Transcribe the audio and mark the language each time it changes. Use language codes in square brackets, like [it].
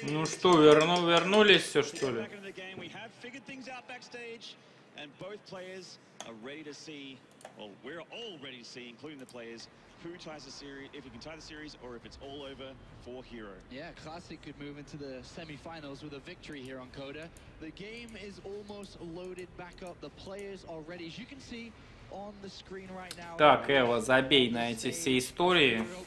[ru] Ну что, вернулись все, что ли? [en] We have figured things out backstage, and both players are ready to see, well, we're all ready to see, including the players, who ties the series, if you can tie the series, or if it's all over for Hero. Yeah, Classic could move into the semifinals with a victory here on Coda. The game is almost loaded back up, the players are ready, as you can see, on the screen right now. [ru] Так, Эва, забей на эти все истории.